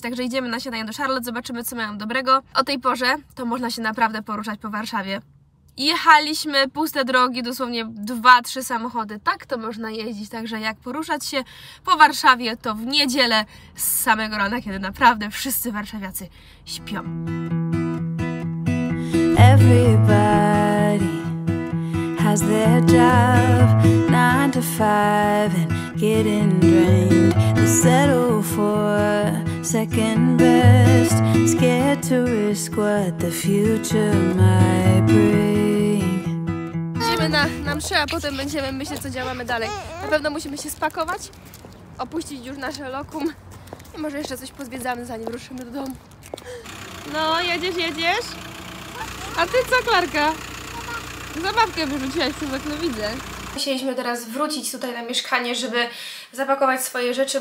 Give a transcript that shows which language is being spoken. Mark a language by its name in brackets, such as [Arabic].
[Polish] Także idziemy na śniadanie do Charlotte, zobaczymy, co mają dobrego. O tej porze to można się naprawdę poruszać po Warszawie. Jechaliśmy, puste drogi, dosłownie 2-3 samochody, tak to można jeździć, także jak poruszać się po Warszawie, to w niedzielę z samego rana, kiedy naprawdę wszyscy warszawiacy śpią. [English] Everybody has their job, 9 to 5 and getting drained, they settle for second best, scared to risk what the future might bring. [Polish] Na mszę, a potem będziemy myśleć, co działamy dalej. Na pewno musimy się spakować, opuścić już nasze lokum i może jeszcze coś pozwiedzamy, zanim ruszymy do domu. No, jedziesz, jedziesz? A ty co, Klarka? Zabawkę wyrzuciłaś, co tak, no widzę. Musieliśmy teraz wrócić tutaj na mieszkanie, żeby zapakować swoje rzeczy.